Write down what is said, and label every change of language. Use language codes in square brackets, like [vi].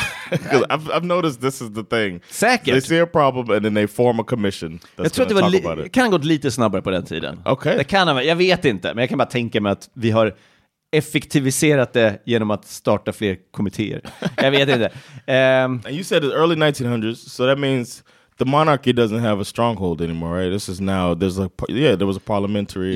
[en] Because I've noticed this is the thing. [sv] Säkert. [en] They see a problem and then they form a commission that's going to talk about it. [sv] Det kan ha gått lite snabbare på den tiden. [en] Okay. [sv] Det kan, jag vet inte, men jag kan bara tänka mig att vi har effektiviserat det genom att starta fler kommittéer. Jag vet inte. [en] And you said it's early 1900s, so that means the monarchy doesn't have a stronghold anymore, right? This is now, there's a, yeah, there was a parliamentary.